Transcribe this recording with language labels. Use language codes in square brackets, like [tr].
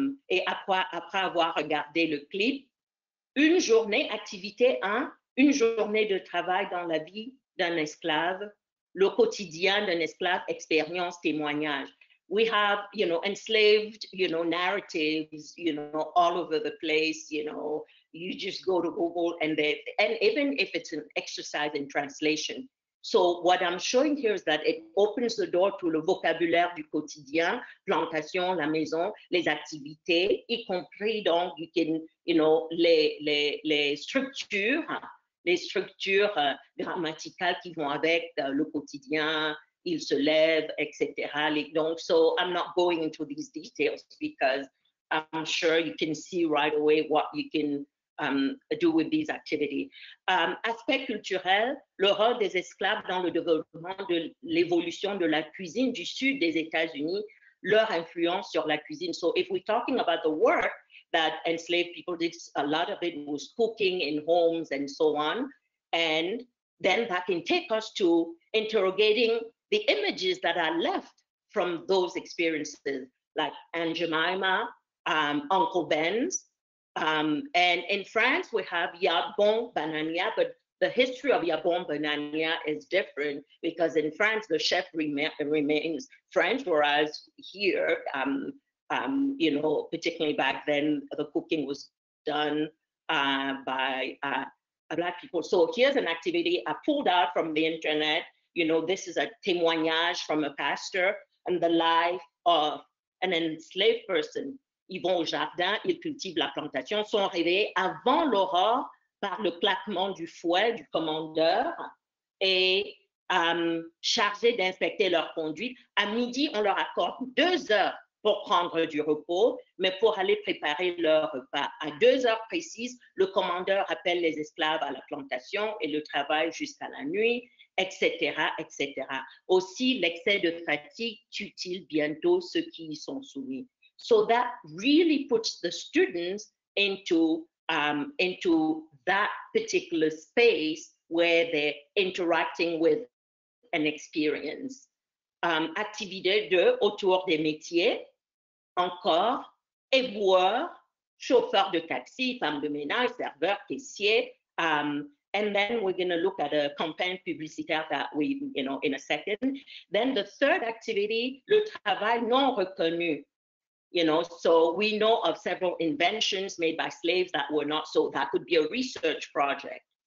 [fr] Et après avoir regardé le clip, une journée, activité 1, une journée de travail dans la vie d'un esclave, le quotidien d'un esclave, expérience, témoignage. [en] We have, you know, enslaved, you know, narratives, you know, all over the place, you know, you just go to Google and they, and even if it's an exercise in translation. So what I'm showing here is that it opens the door to [fr] le vocabulaire du quotidien, plantation, la maison, les activités, y compris donc, [en] you can, you know, [fr] les structures grammaticales qui vont avec le quotidien, il se lève, etc. [en] Donc, so I'm not going into these details because I'm sure you can see right away what you can do with these activities. [fr] Aspect culturel, le rôle des esclaves dans le développement de l'évolution de la cuisine du sud des États-Unis, leur influence sur la cuisine. [en] So if we're talking about the work that enslaved people did, a lot of it was cooking in homes and so on. And then that can take us to interrogating the images that are left from those experiences, like Aunt Jemima, Uncle Ben's. And in France, we have Yabon Banania, but the history of Yabon Banania is different because in France, the chef remains French, whereas here, you know, particularly back then, the cooking was done by Black people. So here's an activity I pulled out from the internet. You know, this is a témoignage from a pastor and the life of an enslaved person. [fr] Ils vont au jardin, ils cultivent la plantation, sont réveillés avant l'aurore par le claquement du fouet du commandeur et chargés d'inspecter leur conduite. À midi, on leur accorde 2 heures pour prendre du repos, mais pour aller préparer leur repas. À 2 heures précises, le commandeur appelle les esclaves à la plantation et le travail jusqu'à la nuit, etc., etc. Aussi, l'excès de fatigue tue-t-il bientôt ceux qui y sont soumis. [en] So that really puts the students into that particular space where they're interacting with an experience. [fr] Activité 2, autour des métiers, encore, éboueur, chauffeur de taxi, femme de ménage, serveur, caissier. [en] And then we're going to look at a campaign publicitaire that we, you know, in a second. Then the third activity, [fr] le travail non reconnu. [en] You know, so we know of several inventions made by slaves that were not, so that could be a research project.